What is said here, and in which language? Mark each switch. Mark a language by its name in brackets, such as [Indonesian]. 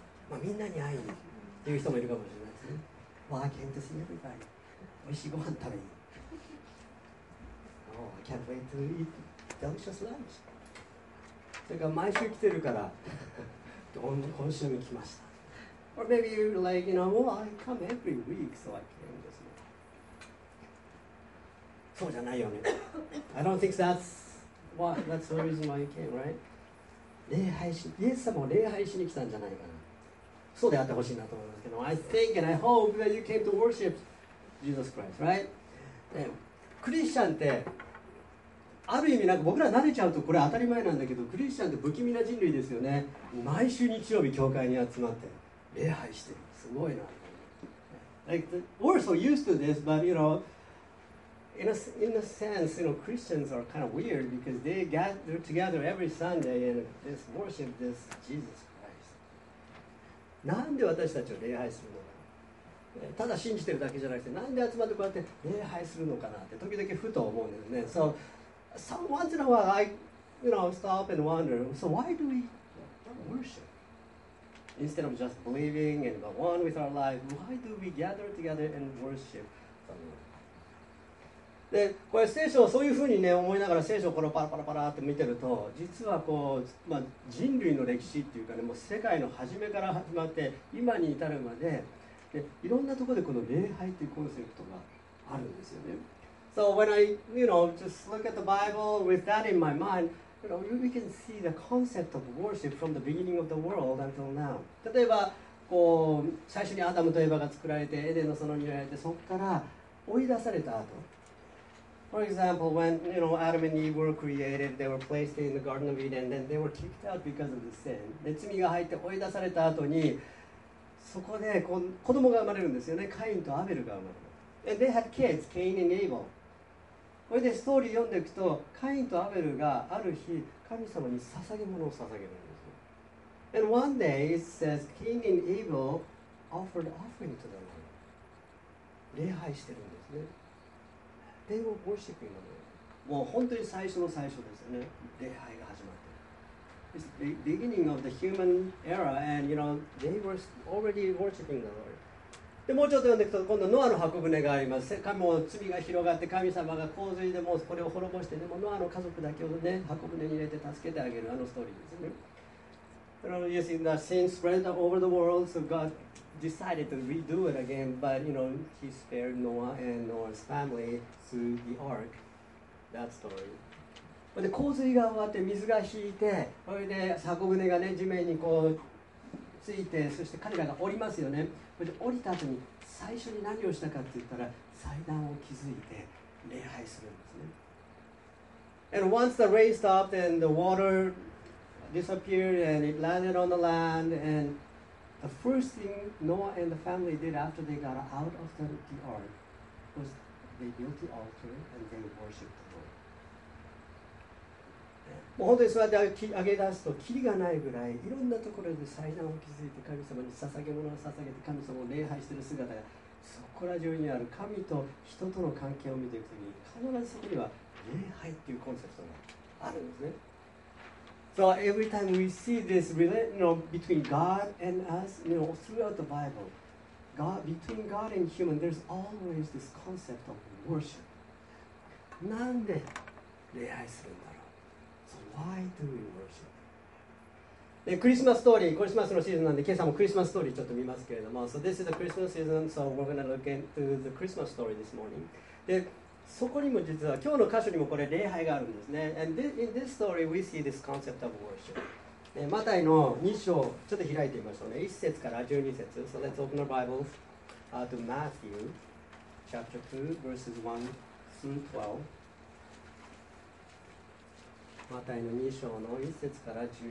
[Japanese] まあみんなに会いにっていう人もいるかもしれないですね。 [English] Well, I came to see everybody. [Japanese] 美味しいご飯食べに。 [English] Oh, I can't wait to eat delicious lunch. [Japanese] それから毎週来てるから今週に来ました。 [English] Or maybe you're like, you know, well, I come every week, so I came this morning. [Japanese] そうじゃないよね。 [English] I don't think that's the reason why you came, right? [Japanese] 礼拝し、イエス様を礼拝しに来たんじゃないかな。そうであってほしいなと思いますけど、 [English] I think and I hope that you came to worship Jesus Christ, right? [Japanese] クリスチャンって、ある意味なんか僕ら慣れちゃうとこれ当たり前なんだけど、クリスチャンって不気味な人類ですよね。毎週日曜日教会に集まって。礼拝してる。すごいな。 [English] Like, the, we're so used to this, but you know, in a sense, you know, Christians are kind of weird because they gather together every Sunday and just worship this Jesus Christ. [Japanese] なんで私たちを礼拝するのか。ただ信じてるだけじゃなくて、なんで集まってこうやって礼拝するのかなって時々ふと思うんですね。 [English] So, some once in a while, I, you know, stop and wonder, so why do we worship? Instead of just believing and go on with our life, why do we gather together and worship the Lord? [Japanese] で、これ聖書をそういうふうにね思いながら聖書をこのパラパラパラって見てると、実はこう、まあ、人類の歴史っていうかね、もう世界の初めから始まって今に至るまで、でいろんなところでこの礼拝っていうコンセプトがあるんですよね。 [English] So when I, you know, just look at the Bible with that in my mind. You know, we can see the concept of worship from the beginning of the world until now. [Japanese] 例えばこう最初にアダムとエヴァが作られてエデンの園に入られてそこから追い出された後。 [English] For example, when you know, Adam and Eve were created, they were placed in the Garden of Eden, then they were kicked out because of the sin. [Japanese] で罪が入って追い出された後にそこでこう子供が生まれるんですよね。カインとアベルが生まれる。 [English] And they had kids, Cain and Abel. [Japanese] これでストーリー読んでいくと、カインとアベルがある日、神様に捧げ物を捧げるんですよ。 [English] And one day it says, Cain and Abel offered offering to the Lord. [Japanese] 礼拝してるんですね。 [English] They were worshiping the Lord. [Japanese] もう本当に最初の最初ですよね。礼拝が始まってる。 [English] It's the beginning of the human era, and you know, they were already worshiping the Lord. [Japanese] でもうちょっと読んでいくと今度ノアの箱舟があります。神も罪が広がって神様が洪水でもうこれを滅ぼしてでもノアの家族だけをね箱舟に入れて助けてあげるあのストーリーですね。 [English] You know, you see, the sin spread over the world, so God decided to redo it again, but you know, he spared Noah and Noah's family through the ark. That story. [Japanese] で洪水が終わって水が引いてそれで箱舟がね地面にこうついてそして彼らが降りますよね。降りた後に最初に何をしたかって言ったら祭壇を築いて礼拝するんですね。 [English] And once the rain stopped and the water disappeared and it landed on the land and the first thing Noah and the family did after they got out of the ark was they built the altar and they worshiped the Lord. [Japanese] もう本当にそうやって上げ出すとキリがないぐらいいろんなところで祭壇を築いて神様に捧げ物を捧げて神様を礼拝している姿がそこら中にある神と人との関係を見ていくときに必ずそこには礼拝っていうコンセプトがあるんですね。 [English] So every time we see this relation between God and us, you know, throughout the Bible, God, between God and human, there's always this concept of worship. [Japanese] なんで礼拝するんだ。 [English] So、why do we worship? [Japanese] でクリスマスストーリー、クリスマスのシーズンなんで、今朝もクリスマスストーリーちょっと見ますけれども、 [English] So this is the Christmas season, so we're going to look into the Christmas story this morning. [Japanese] で、そこにも実は、今日の箇所にもこれ礼拝があるんですね。 [English] And in this story, we see this concept of worship. [Japanese] でマタイの2章、ちょっと開いてみましょうね。 1節から12節。 [English] So let's open our Bibles to Matthew chapter 2, verses 1 through 12. [Japanese] マタイの2章の1節から12節。